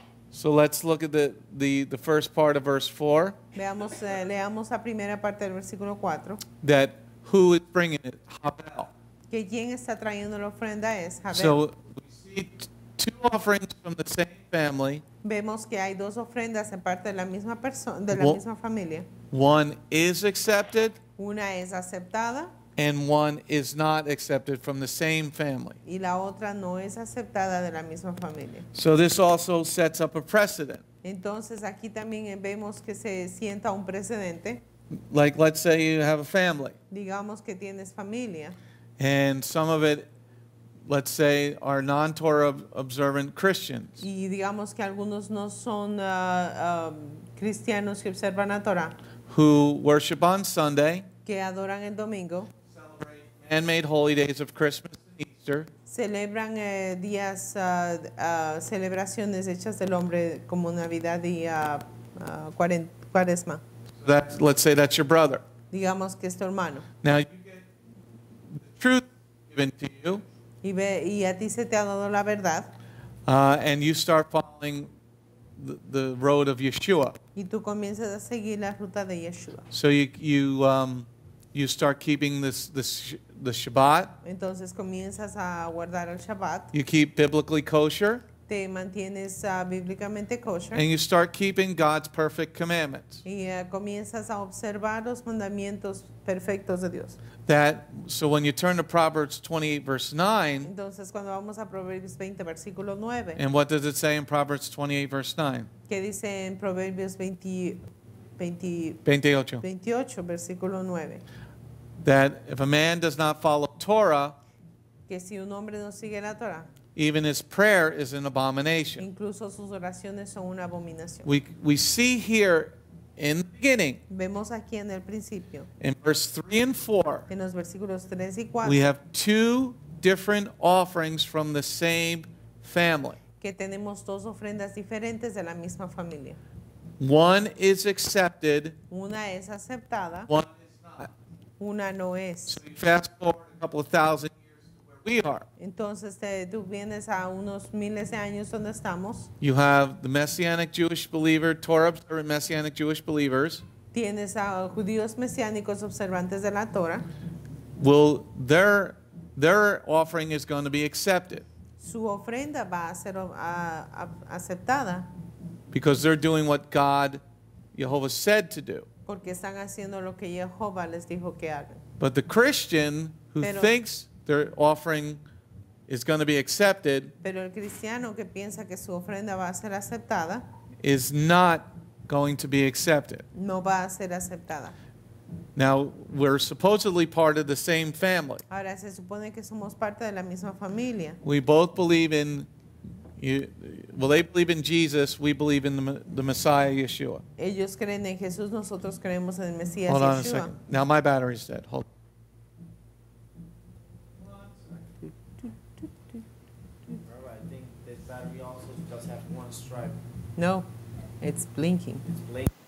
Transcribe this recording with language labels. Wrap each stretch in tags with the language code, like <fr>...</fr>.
<en>So let's look at the first part of verse 4.</en> <es>Veamos, leamos la primera parte del versículo 4.</es> <en>That who is bringing it? Havel.</en> <es>Que quien está trayendo la ofrenda es Havel.</es> <en>So we see two offerings from the same family.</en> <es>Vemos que hay dos ofrendas en parte de la misma persona, de la misma familia.</es> <en>One is accepted.</en> <es>Una es aceptada.</es> <en>And one is not accepted from the same family.</en> <es>Y la otra no es aceptada de la misma familia.</es> <en>So this also sets up a precedent.</en> <es>Entonces aquí también vemos que se sienta un precedente.</es> <en>Like, let's say you have a family.</en> <es>Digamos que tienes familia.</es> <en>And some of it, let's say, are non-Torah observant Christians.</en> <es>Y digamos que algunos no son cristianos que observan la Torah.</es> <en>Who worship on Sunday.</en> <es>Que adoran el domingo.</es> <en>Handmade holy days of Christmas and Easter.</en> <es>Celebran días celebraciones hechas del hombre como Navidad y Cuaresma.</es> <en>That, let's say that's your brother.</en> <es>Digamos que es tu hermano.</es> <en>Now you get the truth given to you.</en> <es>Y ve, y a ti se te ha dado la verdad.</es> <en>And you start following the road of Yeshua.</en> <es>Y tú comienzas a seguir la ruta de Yeshua.</es> <en>So you start keeping the Shabbat.</en> <es>Entonces comienzas a guardar el Shabbat.</es> <en>You keep biblically kosher.</en> <es>Te mantienes bíblicamente kosher.</es> <en>And you start keeping God's perfect commandments.</en> <es>Y comienzas a observar los mandamientos perfectos de Dios.</es> <en>That, so when you turn to Proverbs 28 verse 9.</en> <es>Entonces cuando vamos a Proverbios 20 versículo 9.</es> <en>And what does it say in Proverbs 28 verse 9?</en> <es>¿Qué dice en Proverbios 28 versículo 9?</es> <en>That if a man does not follow Torah,</en> <es>que si un hombre no sigue la Torah,</es> <en>even his prayer is an abomination.</en> <es>Incluso sus oraciones son una abominación.</es> <en>We see here in the beginning,</en> <es>vemos aquí en el principio,</es> <en>in verse 3 and 4,</en> <es>en los versículos 3 y 4,</es> <en>we have two different offerings from the same family.</en> <es>Que tenemos dos ofrendas diferentes de la misma familia.</es> <en>One is accepted.</en> <es>Una es aceptada.</es> <en>One</en> <es>una no es.</es> <en>So you fast forward a couple of thousand years to where we are.</en> <es>Entonces tú vienes a unos miles de años donde estamos.</es> <en>You have the Messianic Jewish believer, Torah observant Messianic Jewish believers.</en> <es>Tienes a judíos mesiánicos observantes de la Torah.</es> <en>Well, their offering is going to be accepted.</en> <es>Su ofrenda va a ser aceptada.</es> <en>Because they're doing what God, Yehovah, said to do.</en> <es>Porque están haciendo lo que Jehová les dijo que hagan.</es> <en>But the Christian who thinks their offering is going to be accepted,</en> <es>pero el cristiano que piensa que su ofrenda va a ser aceptada,</es> <en>is not going to be accepted.</en> <es>No va a ser aceptada.</es> <en>Now we're supposedly part of the same family.</en> <es>Ahora se supone que somos parte de la misma familia.</es> <en>We both believe in they believe in Jesus, we believe in the Messiah Yeshua.</en> <es>Ellos creen en Jesús, nosotros creemos en el Mesías.</es> <en>Hold on</en> <es>Yeshua.</es> <en>A second. Now my battery's dead. Hold on. I think this battery also just has one stripe. No, it's blinking. It's blinking.</en>